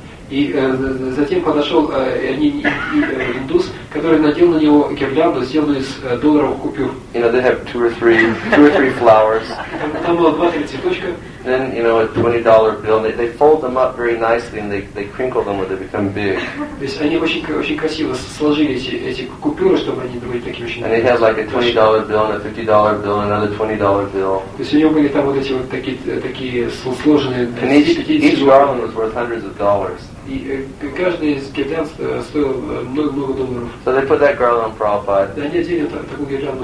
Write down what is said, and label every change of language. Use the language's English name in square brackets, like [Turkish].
[Russian] И затем подошел индус, который надел на него гирлянду, сделанную из долларовых купюр. [English] You know, they have two or three flowers. [Russian] Там было два-три цветочка. [English] Then, you know, a $20 bill. They fold them up very nicely and they crinkle them when they become big. [Russian] То есть они очень красиво сложили эти купюры, чтобы они были такими очень. [English] And they had like a $20 bill and a $50 bill and another $20 bill. [Russian] То есть у него были там вот эти вот такие сложенные. [English] And each garland was worth hundreds of dollars. [Russian] И каждый из гирлянд стоил много долларов. [English] So they put that garland on Prabhupada. [Russian] Да, они одели такую гирлянду.